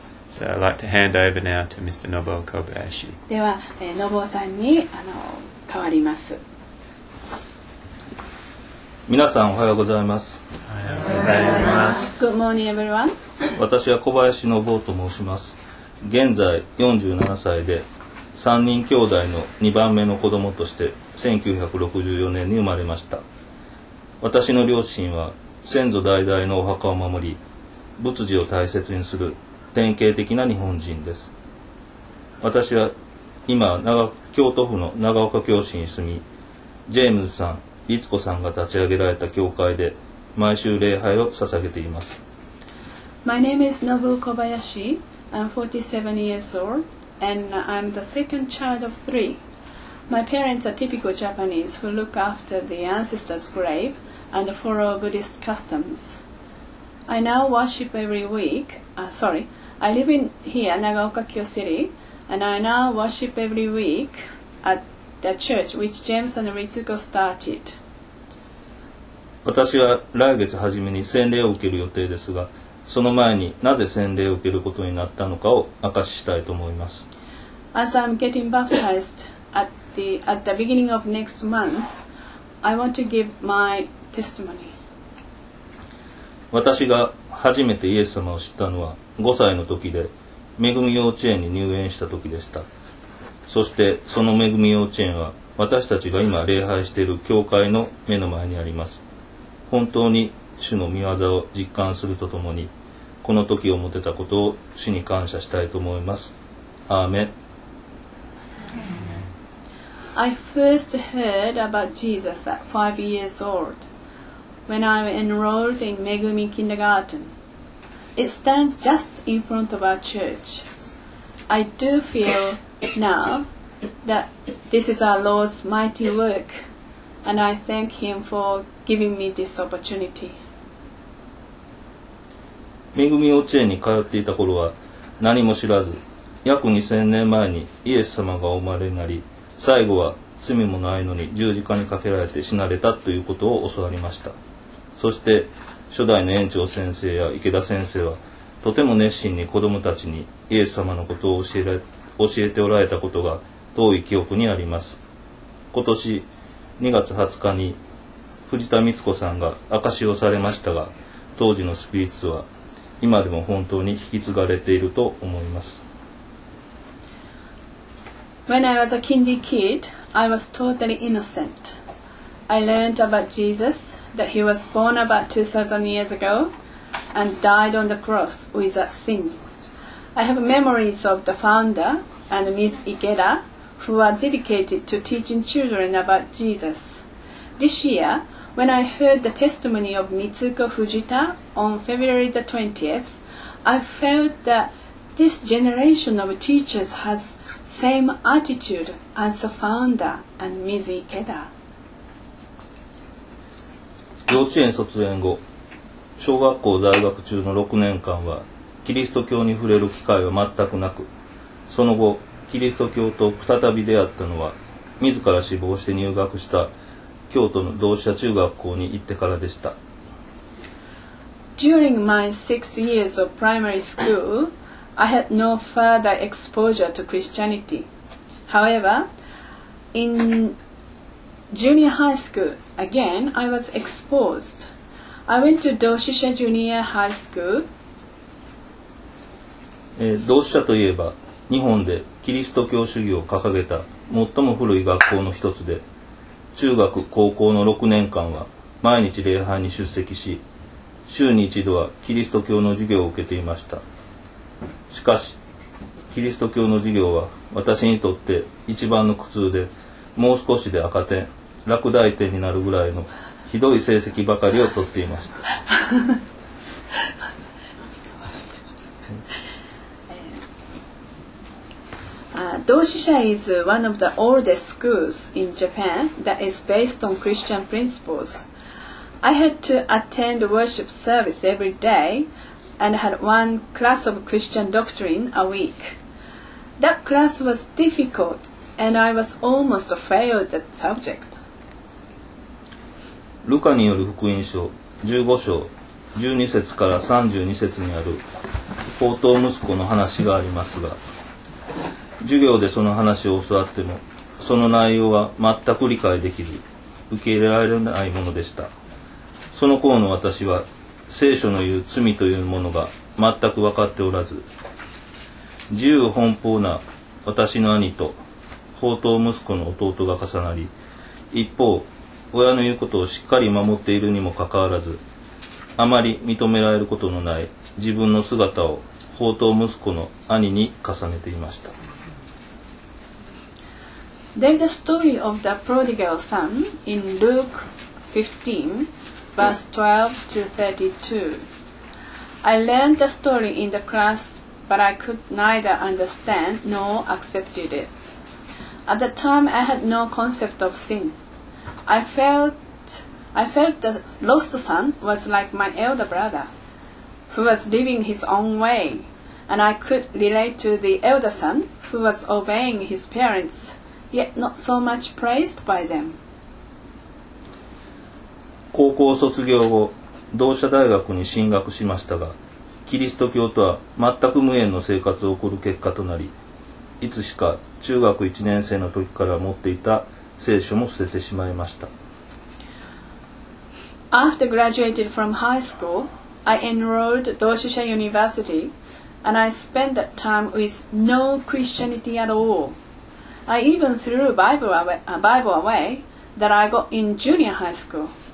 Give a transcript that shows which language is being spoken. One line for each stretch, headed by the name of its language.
English: So I'd like to hand over now to Mr. Nobo Kobayashi.
Japanese: では、のぼうさんに、代わります。皆さんおはようございます。おはようございます。
English: Good morning, everyone.
Japanese: 私は小林信夫と申します。現在47歳で、3人兄弟の2番目の子供として1964年に生まれました。私の両親は先祖代々のお墓を守り、仏事を大切にする典型的な日本人です。私は今、京都府の長岡教市に住み、ジェームズさん、リツコさんが立ち上げられた教会で毎週礼拝を捧げています。
English: My name is Nobu Kobayashi. I'm 47 years old, and I'm the second child of three. My parents are typical Japanese who look after the ancestors' grave and follow Buddhist customs. I now worship every week. I live in here, Nagaoka Kyo City, and I now worship every week at. The church which James and Ritsuko started.
Japanese: 私は来月初めに洗礼を受ける予定ですが、その前になぜ洗礼を受けることになったのかを明かししたいと思います。
English: As I'm getting baptized at the beginning of next month, I want to give my testimony.
Japanese: 私が初めてイエス様を知ったのは5歳の時で、恵み幼稚園に入園した時でした。そしてその恵み幼稚園は私たちが今礼拝している教会の目の前にあります。本当に主の御業を実感するとともに、この時を持てたことを主に感謝したいと思います。アーメン。
English: I first heard about Jesus at 5 years old when I enrolled in Megumi Kindergarten. It stands just in front of our church. I do feel now that this is our Lord's mighty work, and I thank Him for giving me this opportunity.
Japanese: めぐみ幼稚園に通っていた頃は何も知らず、約2000年前にイエス様がお生まれになり、最後は罪もないのに十字架にかけられて死なれたということを教わりました。そして初代の園長先生や池田先生はとても熱心に子供たちにイエス様のことを教えておられたことが遠い記憶にあります。今年2月20日に藤田光子さんが証しをされましたが、当時のスピリッツは今でも本当に引き継がれていると思います。
English: When I was a kindy kid, I was totally innocent. I learned about Jesus, that he was born about 2000 years ago and died on the cross without sin. I have memories of the founder and Ms. Ikeda, who are dedicated to teaching children about Jesus. This year, when I heard the testimony of Mitsuko Fujita on February the 20th, I felt that this generation of teachers has same attitude as the founder and Ms. Ikeda.
Japanese: 幼稚園卒園後、小学校在学中の6年間はキリスト教に触れる機会は全くなく、その後キリスト教と再び出会ったのは自ら志望して入学した京都の同志社中学校に行ってからでした。
English: During my 6 years of primary school, I had no further exposure to Christianity. However, in junior high school, again, I was exposed. I went to 同志社 junior high school.
Japanese: 同志社といえば、日本でキリスト教主義を掲げた最も古い学校の一つで、中学高校の6年間は毎日礼拝に出席し、週に一度はキリスト教の授業を受けていました。しかしキリスト教の授業は私にとって一番の苦痛で、もう少しで赤点、落第点になるぐらいのひどい成績ばかりを取っていました。
English: Doshisha is one of the oldest schools in Japan that is based on Christian principles. I had to attend worship service every day and had one class of Christian doctrine a week. That class was difficult and I was almost failed at the subject.
Japanese: ルカによる福音書15章12節から32節にある放蕩息子の話がありますが、授業でその話を教わってもその内容は全く理解できず受け入れられないものでした。その頃の私は聖書の言う罪というものが全く分かっておらず、自由奔放な私の兄と放蕩息子の弟が重なり、一方親の言うことをしっかり守っているにもかかわらず、あまり認められることのない自分の姿を放蕩息子の兄に重ねていました。
English: There is a story of the prodigal son in Luke 15, verse 12 to 32. I learned the story in the class, but I could neither understand nor accepted it. At the time, I had no concept of sin. I felt the lost son was like my elder brother, who was living his own way, and I could relate to the elder son who was obeying his parents. Yet not so much praised by them.
Japanese: 高校卒業後、同志社大学に進学しましたが、キリスト教とは全く無縁の生活を送る結果となり、いつしか中学1年生の時から持っていた聖書も捨ててしまいました。
English: After graduated from high school, I enrolled 同志社 University, and I spent that time with no Christianity at all. I even threw a Bible away that I got in junior high school.